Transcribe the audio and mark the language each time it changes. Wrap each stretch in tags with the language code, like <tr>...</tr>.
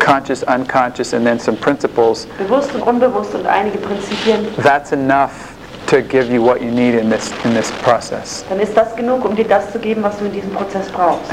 <en>Conscious, unconscious, and then some principles.</en> <de>Bewusst und unbewusst und einige Prinzipien.</de> <en>That's enough to give you what you need in this process.</en> <de>Dann ist das genug, um dir das zu geben, was du in diesem Prozess brauchst.</de>